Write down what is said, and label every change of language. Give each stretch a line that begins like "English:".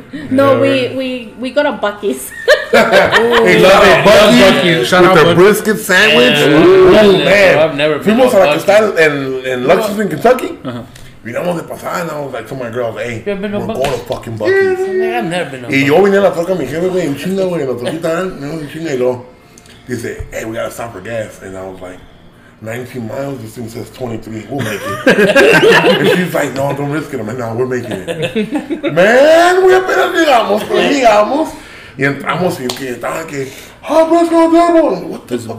English: No, we go to Bucky's. Hey, love it. Bucky's. With the brisket sandwich. Yeah. Oh, man. I've never been to Bucky's.
Spanish: Fuimos a la Cristal in Lexington, Kentucky. Uh-huh.
English: We know what happened, and I was like to my girls, hey, we're going to fucking Bucky's. Yeah, I've never been to Bucky's.
Spanish: Y yo vine a la troca, mi jefe, güey, en la troquita, ¿no? En chinga, y luego, dice,
English: hey, we got to stop for gas. And I was like, 19 miles, this thing says 23, we'll make it. And she's like, no, don't risk it. I'm like, no, we're making it. Man, we
Spanish: apenas llegamos, pero llegamos. Y entramos, y yo que estaba que,
English: oh, bro, let's go to the other one. What the fuck?